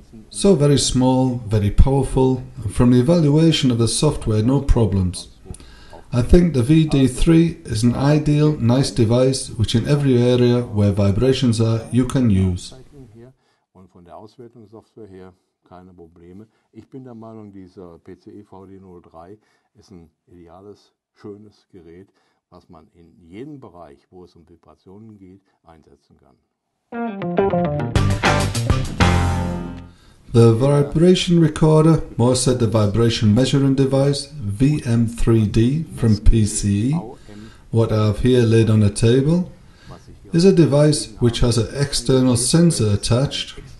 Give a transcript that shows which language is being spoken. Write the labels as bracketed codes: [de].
[en] So very small, very powerful, and from the evaluation of the software, no problems. I think the VD3 is an ideal, nice device, which in every area where vibrations are, you can use. [de] Und von der Auswertungssoftware her keine Probleme. Ich bin der Meinung, dieser PCE-VD03 ist ein ideales, schönes Gerät, was man in jedem Bereich, wo es um Vibrationen geht, einsetzen kann. [en] The vibration recorder, more said the vibration measuring device, VM3D from PCE, what I have here laid on the table, is a device which has an external sensor attached.